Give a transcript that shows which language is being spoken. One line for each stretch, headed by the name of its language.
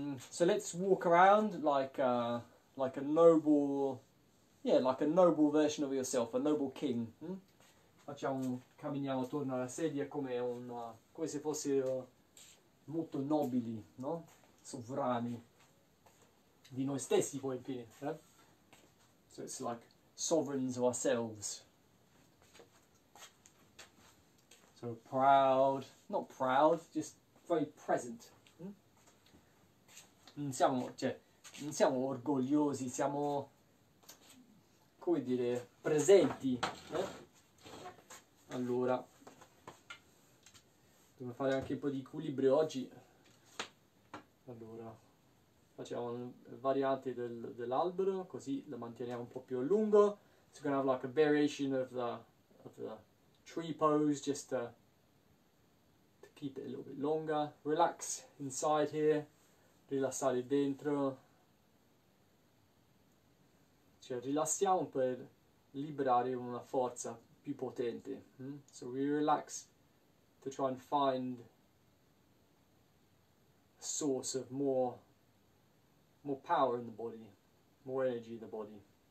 English: So let's walk around like a noble, yeah, like a noble version of yourself, a noble king.
Italian: Camminiamo attorno alla sedia come se fossero molto nobili, no? Sovrani di noi stessi, poi in fine. Eh?
English: So it's like sovereigns of ourselves. So proud, not proud, just very present.
Italian: Non siamo orgogliosi, siamo, come dire, presenti. Allora, dobbiamo fare anche un po' di equilibrio oggi. Allora, facciamo una variante dell'albero, così la manteniamo un po' più a lungo.
English: So we're gonna have like a variation of the tree pose, just to keep it a little bit longer. Relax inside here,
Italian: rilassare dentro, cioè rilassiamo per liberare una forza più potente.
English: So we relax to try and find a source of more power in the body, more energy in the body.